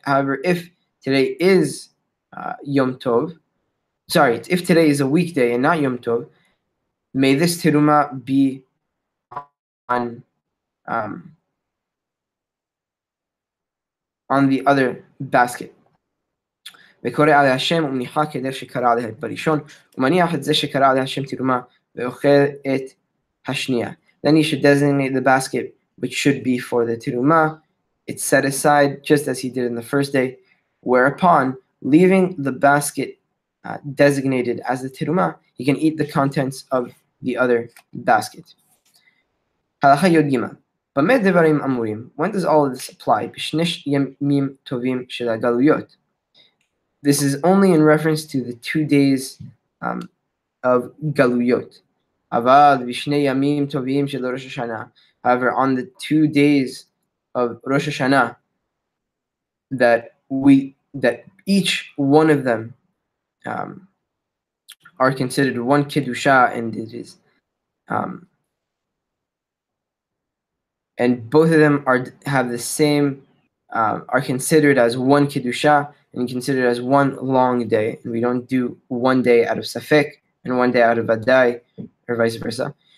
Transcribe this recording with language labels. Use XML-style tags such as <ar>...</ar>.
<en>However, if today is Yom Tov, sorry, if today is a weekday and not Yom Tov, may this teruma be on on the other basket.</en> <he>וקורא עליה השם ומניחה כדר שקרא עליה בראשון, ומניח את זה שקרא עליה השם תרומה, ואוכל את השנייה.</he> <en>Then he should designate the basket, which should be for the תרומה. It's set aside, just as he did in the first day. Whereupon, leaving the basket designated as the תרומה, he can eat the contents of the other basket.</en> <he>הלכה יוד גימה. במה דברים אמורים?</he> <en>When does all of this apply?</en> <he>בשני ימים טובים של הגלויות.</he> <en>This is only in reference to the 2 days of גלויות.</en> <he>אבל בשני ימים טובים של ראש השנה.</he> <en>However, on the 2 days of Rosh Hashanah, that each one of them are considered one kedusha, and it is and both of them are considered as one kedusha and considered as one long day, and we don't do 1 day out of safek and 1 day out of adai or vice versa.</en>